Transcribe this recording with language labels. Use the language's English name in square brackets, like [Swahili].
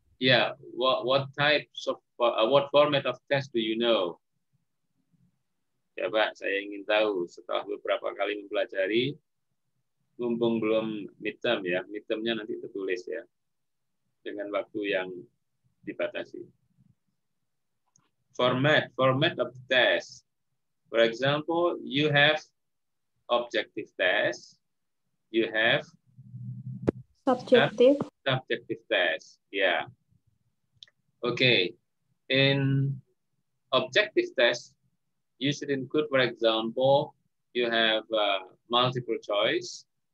[English] Yeah, what types of, what format of test do you know? [Indonesian] Coba saya ingin tahu setelah beberapa kali mempelajari, mumpung belum midterm ya, midtermnya nanti tertulis ya, dengan waktu yang dibatasi. [English] Format of test. For example, you have objective test, you have subjective test. Yeah. Okay. In objective test, you should include, for example, you have multiple choice.